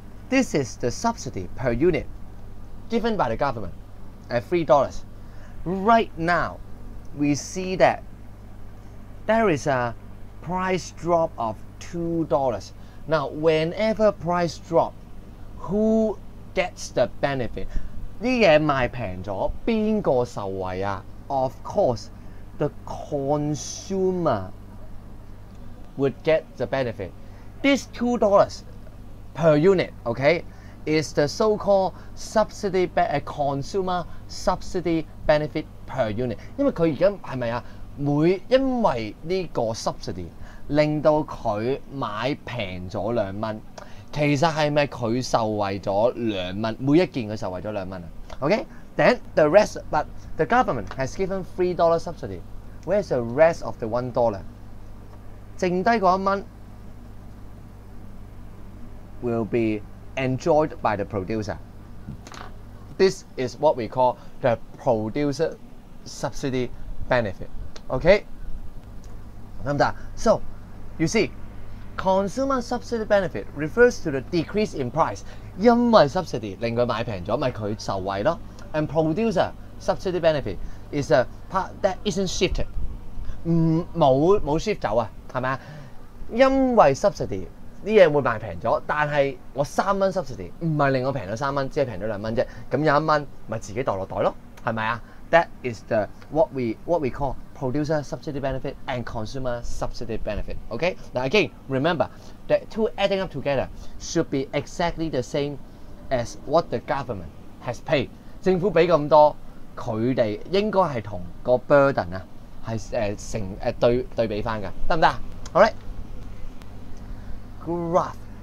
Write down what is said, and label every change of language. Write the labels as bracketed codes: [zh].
[en] This is the subsidy per unit given by the government at $3. Right now, we see that there is a price drop of $2. Now, whenever price drop, who gets the benefit? [zh] 啲嘢賣平咗，邊個受惠啊？ [en] Of course, the consumer would get the benefit. This $2 per unit, okay, is the so-called subsidy consumer subsidy benefit per unit. [zh] 因為佢而家係咪啊？因為這個 subsidy 令到他買便宜了2元， 其實是不是他受惠了2元？每一件他受惠了2元， OK? [en] Then the rest, but the government has given $3 subsidy. Where's the rest of the $1? [zh] 剩下的1元 [en] will be enjoyed by the producer. This is what we call the producer subsidy benefit. Okay, so you see, consumer subsidy benefit refers to the decrease in price. [zh] 因為 subsidy 令它賣便宜了，就是它受惠了。 [en] And producer subsidy benefit is a part that isn't shifted. [zh] 沒有shift走，是吧？因為 subsidy 這東西會賣便宜了，但是我3元 subsidy 不是令我便宜了3元， 只是便宜了2元而已。那有1元就自己墮落袋了，是吧？ [en] That is the what we call producer subsidy benefit and consumer subsidy benefit. Okay? Now again, remember the two adding up together should be exactly the same as what the government has paid. [zh] 政府俾咁多，佢哋應該係同個 burden 啊係成對比翻㗎，得唔得？ [en] Alright. Graph.